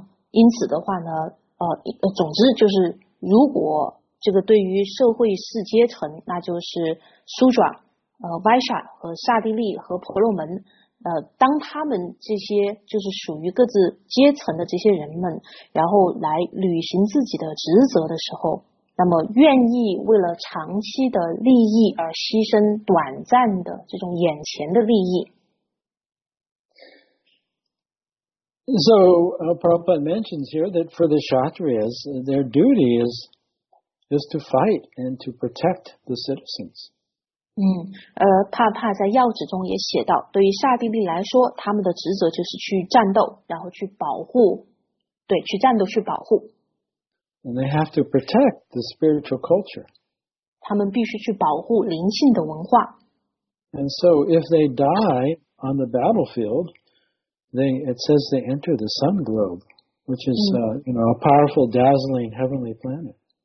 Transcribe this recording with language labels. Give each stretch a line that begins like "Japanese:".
Chinese: 因此的话呢，总之就是， 如果这个对于社会四阶层， 那就是Sudra, Vaishya 和刹帝利 和婆罗门， 当他们这些就是属于各自阶层的这些人们， 然后来履行自己的职责的时候， 那么愿意为了长期的利益而牺牲短暂的这种眼前的利益。
English: So, Prabhupada mentions here that for the Kshatriyas, their duty is to fight and to protect the citizens.
Chinese: 帕帕在要旨中也写到, 对于刹帝利来说, 他们的职责就是去战斗, 然后去保护, 对, 去战斗去保护。
English: And they have to protect the spiritual culture.
Chinese: 他们必须去保护灵性的文化。
English: And so, if they die on the battlefield, it says they enter the sun globe, which is a powerful, dazzling heavenly planet.